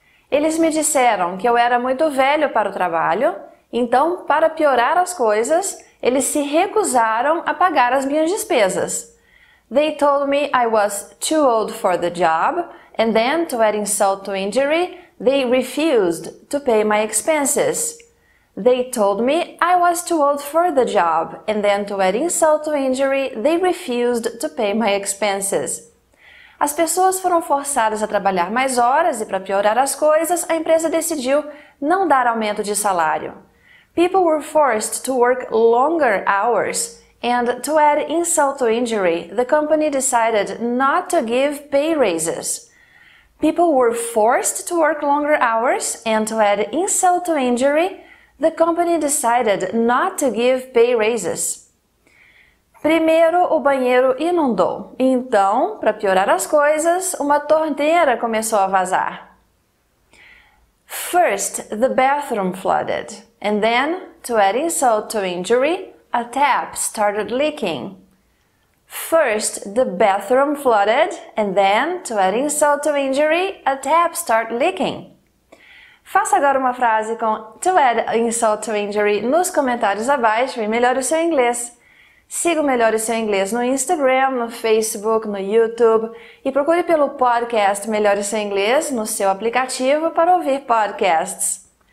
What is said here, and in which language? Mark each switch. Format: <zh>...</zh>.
<pt>Eles me disseram que eu era muito velho para o trabalho, então, para piorar as coisas, eles se recusaram a pagar as minhas despesas.</pt> <en>They told me I was too old for the job, and then, to add insult to injury, they refused to pay my expenses. They told me I was too old for the job, and then, to add insult to injury, they refused to pay my expenses.</en> <pt>As pessoas foram forçadas a trabalhar mais horas e, para piorar as coisas, a empresa decidiu não dar aumento de salário.</pt> <en>People were forced to work longer hours, and to add insult to injury, the company decided not to give pay raises. People were forced to work longer hours, and to add insult to injury, the company decided not to give pay raises.</en> <pt>Primeiro, o banheiro inundou. Então, para piorar as coisas, uma torneira começou a vazar.</pt> <en>First, the bathroom flooded. And then, to add insult to injury, a tap started leaking. First, the bathroom flooded, and then, to add insult to injury, a tap started leaking.</en> <pt>Faça agora uma frase com</pt> <en>to add insult to injury</en> <pt>nos comentários abaixo e melhore o seu inglês. Siga o Melhore Seu Inglês no Instagram, no Facebook, no YouTube e procure pelo podcast Melhore Seu Inglês no seu aplicativo para ouvir podcasts.</pt>